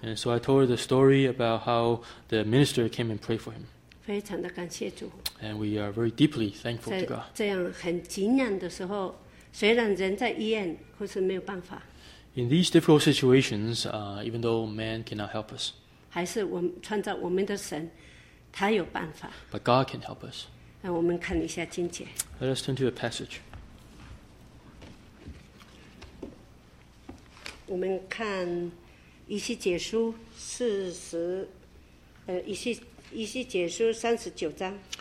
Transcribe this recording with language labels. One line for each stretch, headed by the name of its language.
English: And so I told her the story about how the minister came and prayed for him.
Chinese: 非常的感谢主。
English: And we are very deeply thankful to God.
Chinese: 这样很艰难的时候。虽然人在医院，可是没有办法。
English: In these difficult situations, even though man cannot help us,
Chinese: 还是我们创造我们的神，他有办法。
English: But God can help us.
Chinese: 那我们看一下经节。
English: Let us turn to a passage.
Chinese: 我们看以西结书四十，以西结书三十九章。